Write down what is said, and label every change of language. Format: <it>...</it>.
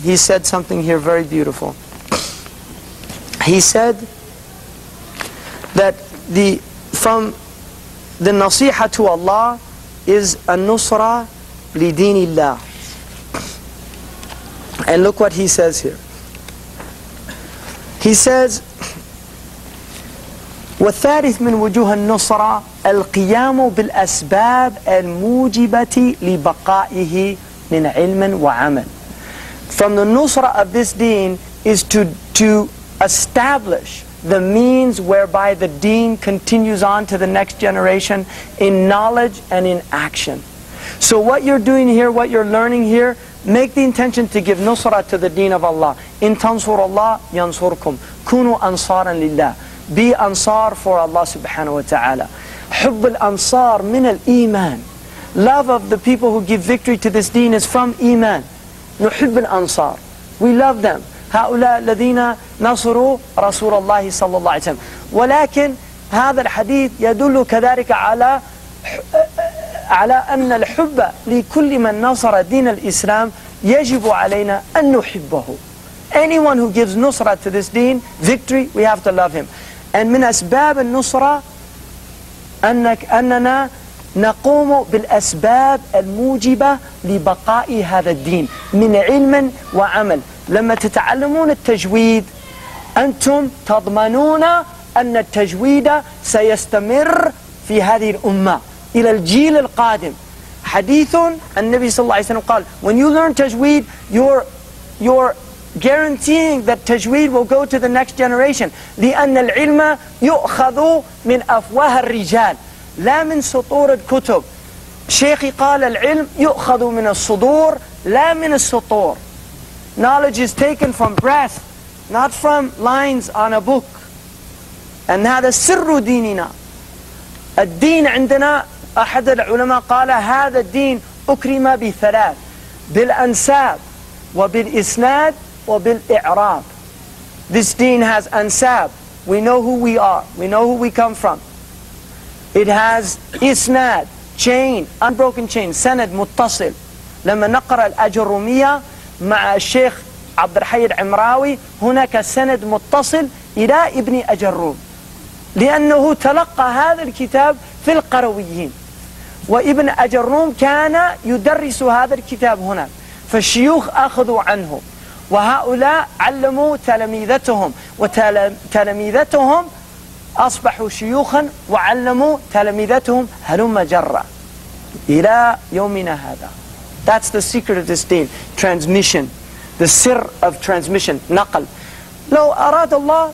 <en>He said something here very beautiful. He said that from the nasiha to Allah is an-nusra li dinillah. And look what he says here. He says,</en> <ar>والثالث من وجوه النصرة القيام بالأسباب الموجبة لبقائه من علم وعمل.</ar> <en>From the nusra of this deen is to establish the means whereby the deen continues on to the next generation in knowledge and in action. So what you're doing here, what you're learning here, make the intention to give nusra to the deen of Allah.</en> <ar>إن تنصر الله ينصركم كونوا أنصارا لله.</ar> <en>Be ansar for Allah subhanahu wa ta'ala.</en> <ar>حب الانصار من الايمان.</ar> <en>Love of the people who give victory to this deen is from iman.</en> <ar>نحب الانصار.</ar> <en>We love them.</en> <ar>هؤلاء الذين نصروا رسول الله صلى الله عليه وسلم. ولكن هذا الحديث يدل كذلك على ان الحب لكل من نصر دين الاسلام يجب علينا ان نحبه.</ar> <en>Anyone who gives nusra to this deen, victory, we have to love him.</en> <ar>And من أسباب النصرة أننا نقوم بالأسباب الموجبة لبقاء هذا الدين من علم وعمل. لما تتعلمون التجويد أنتم تضمنون أن التجويد سيستمر في هذه الأمة إلى الجيل القادم. حديث النبي صلى الله عليه وسلم قال,</ar> <en>when you learn tajweed, you're guaranteeing that tajweed will go to the next generation.</en> <ar>لِأَنَّ الْعِلْمَ يُؤْخَذُ مِنْ أَفْوَاهَ الرِّجَالِ لَا مِنْ سُطُورِ الْكُتُبِ. Shaykhi qala al-ilm yu'khadhu min al-sudur la min al-sutur.</ar> <en>Knowledge is taken from breath, not from lines on a book.</en> <ar>And هذا سر دينينا. الدين عندنا, أحد العلماء قال هذا الدين أكرم بثلاث, بالأنساب وبالإسناد وبالإعراب.</ar> <en>This deen has ansab. We know who we are. We know who we come from. It has isnad, chain, unbroken chain, sanad, muttasil.</en> <ar>لما نقرأ الأجرومية مع الشيخ عبد الحي العمراوي هناك سند متصل إلى ابن أجروم لأنه تلقى هذا الكتاب في القرويين وابن أجروم كان يدرس هذا الكتاب هنا فالشيوخ أخذوا عنه وهؤلاء علموا تلاميذتهم وتلاميذتهم أصبحوا شيوخا وعلموا تلاميذتهم هلم جرا إلى يومنا هذا.</ar> <en>That's the secret of this deen, transmission, the sir of transmission, نقل.</en> <ar>لو أراد الله</ar>